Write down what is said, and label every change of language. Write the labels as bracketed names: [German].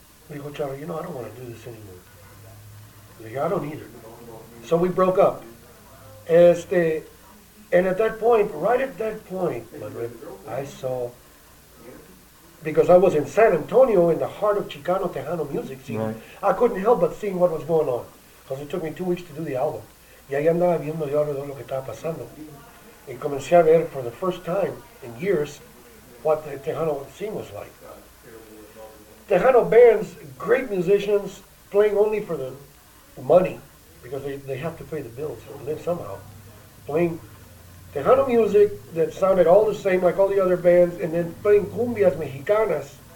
[English] Dijo Charo, you know, I don't want to do this anymore. Dije, I don't either. So we broke up. And at that point, right at that point, Manuel, I saw, because I was in San Antonio in the heart of Chicano Tejano music scene, right. I couldn't help but seeing what was going on, because it took me 2 weeks to do the album. [Spanish] Y ahí andaba viendo yo alrededor lo que estaba pasando. Y comencé a ver [English] for the first time in years what the Tejano scene was like. Tejano bands, great musicians, playing only for the money, because they have to pay the bills and live somehow, playing Tejano music that sounded all the same like all the other bands, and then playing cumbias mexicanas.